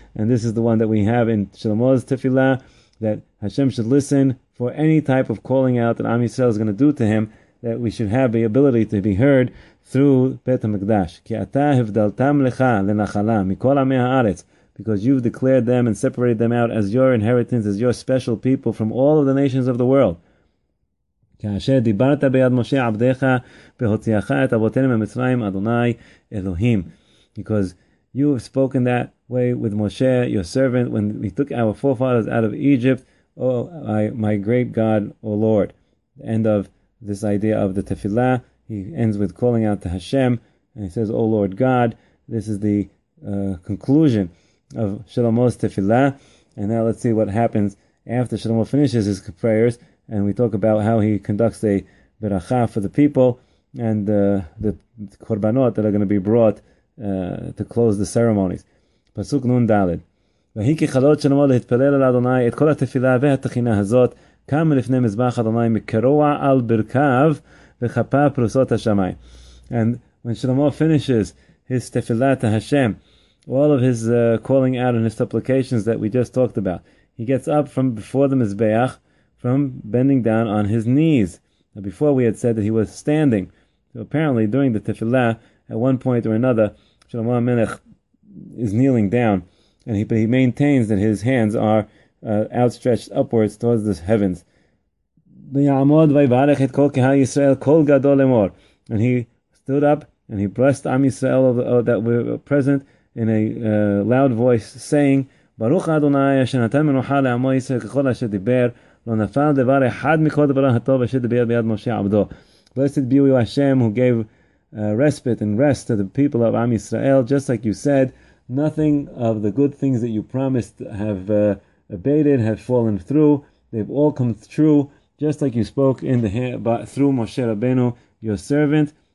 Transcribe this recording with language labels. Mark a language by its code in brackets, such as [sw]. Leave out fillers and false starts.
[en] And this is the one that we have in Shlomo's tefillah, that Hashem should listen for any type of calling out that Am Yisrael is going to do to him. that we should have the ability to be heard through Bet HaMikdash. [he] Ki ata hevdaltam lecha lenachala mikol amei haaretz, [en] because you've declared them and separated them out as your inheritance, as your special people from all of the nations of the world. [he] כאשר דיברת ביד משה עבדך והוציאך את אבותינו ממצרים אדוני אלוהים. [en] Because you have spoken that way with Moshe, your servant, when we took our forefathers out of Egypt, my great God, O Lord. End of this idea of the tefillah. He ends with calling out to Hashem, and he says, O Lord God. This is the conclusion of Shlomo's tefillah. And now let's see what happens after Shlomo finishes his prayers, and we talk about how he conducts a beracha for the people and the korbanot that are going to be brought to close the ceremonies. Pasuk Nun Dalet. [he] והי כחלות שלמה להתפלל על אדוני את כל התפילה והתחינה הזאת, קם לפני מזבח אדוני מקרוע על ברכיו וחפה פרוסות השמיים. [en] And when Shlomo finishes his tefillah to Hashem, all of his calling out and his supplications that we just talked about, he gets up from before the mizbeach, from bending down on his knees. Now before we had said that he was standing. So apparently during the tefillah, at one point or another, Shlomo HaMelech is kneeling down, and he maintains that his hands are outstretched upwards towards the heavens. [he] ויעמוד ויברך את כל קהל ישראל כל גדול לאמור. [en] And he stood up and he blessed Am Yisrael that were present in a loud voice, saying, [he] ברוך אדוני אשר נתן מנוחה לעמו ישראל ככל אשר דיבר, לא נפל דבר אחד מכל דברו הטוב אשר דיבר ביד משה עבדו. [en] Blessed be you, Hashem, who gave respite and rest to the people of Am Yisrael, just like you said. Nothing of the good things that you promised have abated, have fallen through. They've all come true, just like you spoke in the through Moshe Rabbeinu, your servant.